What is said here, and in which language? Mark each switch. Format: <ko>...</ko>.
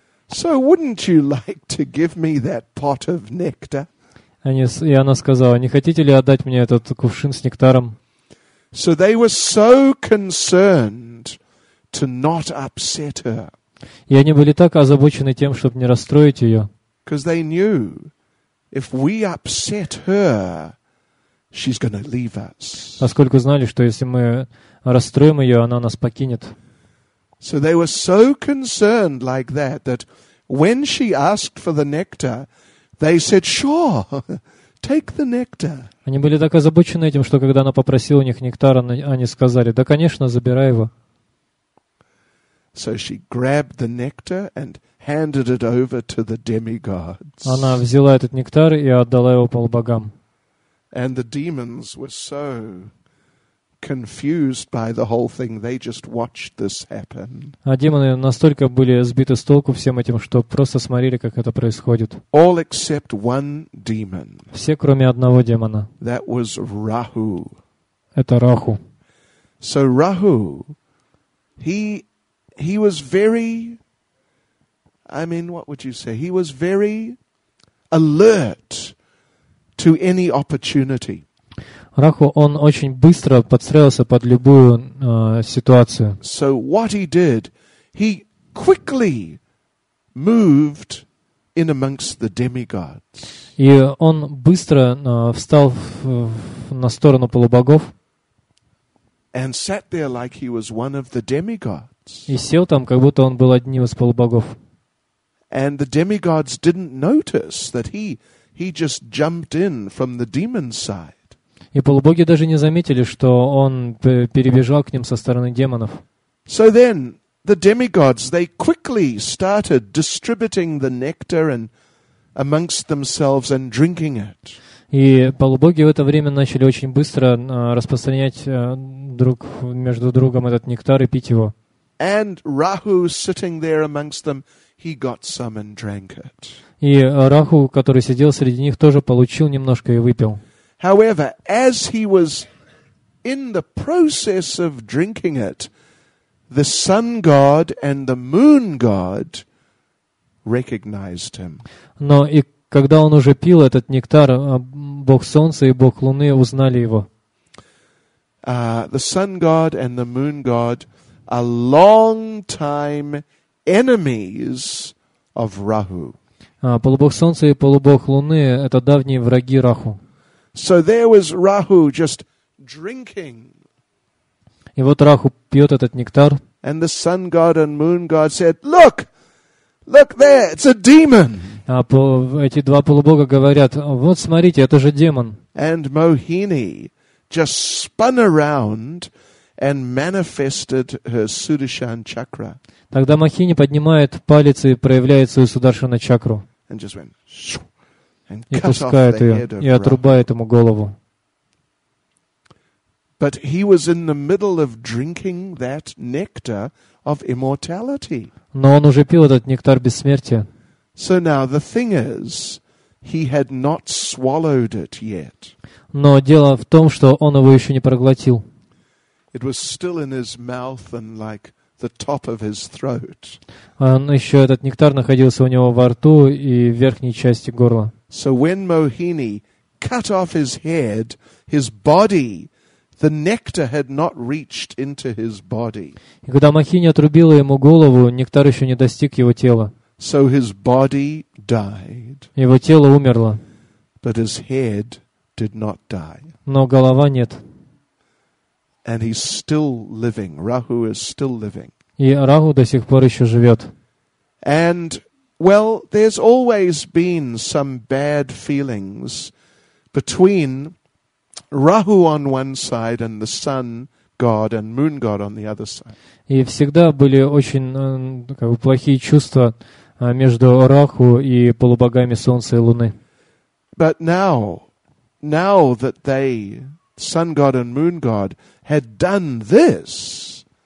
<en>So, wouldn't you like to give me that pot of nectar?</en> <ru>И она сказала: не хотите ли отдать мне этот кувшин с нектаром?</ru> <en>So they were so concerned to not upset her.</en> <ru>И они были так озабочены тем, чтобы не расстроить ее.</ru> <en>Because they knew if we upset her, she's going to leave us.</en> <ru>Поскольку знали, что если мы расстроим ее, она нас покинет.</ru> <en>So they were so concerned like that, that when she asked for the nectar, they said, "Sure, take the nectar."</en> <ru>Они были так озабочены этим, что когда она попросила у них нектар, они сказали: "Да, конечно, забирай его."</ru> <en>So she grabbed the nectar and handed it over to the demigods.</en> <ru>Она взяла этот нектар и отдала его полубогам.</ru> <en>And the demons were so confused by the whole thing, they just watched this happen.</en> <ru>А демоны настолько были сбиты с толку всем этим, что просто смотрели, как это происходит.</ru> <en>All except one demon.</en> <ru>Все, кроме одного демона.</ru> <en>That was Rahu.</en> <ru>Это Раху.</ru> <en>So Rahu, he was very, I mean, what would you say? He was very alert to any opportunity.</en> <ru>Раху, он очень быстро подстроился под любую ситуацию.</ru> <en>So what he did, he quickly moved in amongst the demigods.</en> <ru>И он быстро встал на сторону полубогов.</ru> <en>And sat there like he was one of the demigods.</en> <ru>И сел там, как будто он был одним из полубогов.</ru> <en>And the demigods didn't notice that he just jumped in from the demon side.</en> <ru>И полубоги даже не заметили, что он перебежал к ним со стороны демонов.</ru> <en>So then the demigods, they quickly started distributing the nectar and amongst themselves and drinking it.</en> <ru>И полубоги в это время начали очень быстро распространять друг между другом этот нектар и пить его.</ru> <en>And Rahu sitting there amongst them, he got some and drank it.</en> <ru>И Раху, который сидел среди них, тоже получил немножко и выпил.</ru> <en>However, as he was in the process of drinking it, the sun god and the moon god recognized him.</en> <ru>Но и когда он уже пил этот нектар, бог солнца и бог луны узнали его.</ru> <en>The sun god and the moon god are long-time enemies of Rahu.</en> <ru>Полубог солнца и полубог луны — это давние враги Раху.</ru> <en>So there was Rahu just drinking.</en> <ru>И вот Раху пьет этот нектар.</ru> <en>And the sun god and moon god said, "Look, look there, it's a demon."</en> <ru>Эти два полубога говорят: "Вот смотрите, это же демон."</ru> <en>And Mohini just spun around and manifested her Sudarshan chakra.</en> <ru>Тогда Махини поднимает палец и проявляет свою Сударшана чакру.</ru> <en>And just went,</en> <ru>и пускает ее, и отрубает ему голову.</ru> <en>But he was in the middle of drinking that nectar of immortality.</en> <ru>Но он уже пил этот нектар бессмертия.</ru> <en>So now the thing is, he had not swallowed it yet.</en> <ru>Но дело в том, что он его еще не проглотил.</ru> <en>It was still in his mouth and like the top of his throat.</en> <ru>Он еще этот нектар находился у него во рту и в верхней части горла.</ru> <en>So when Mohini cut off his head, his body, the nectar had not reached into his body.</en> <ru>И когда Махини отрубила ему голову, нектар еще не достиг его тела.</ru> <en>So his body died.</en> <ru>Его тело умерло.</ru> <en>But his head did not die.</en> <ru>Но голова нет.</ru> <en>And he's still living. Rahu is still living.</en> <ru>И Раху до сих пор еще живет.</ru> <en>And well, there's always been some bad feelings between Rahu on one side and the sun god and moon god on the other side.</en> <ru>И всегда были очень как бы плохие чувства между Раху и полубогами солнца и луны.</ru> <en>But now that they sun god and moon god had done this.</en>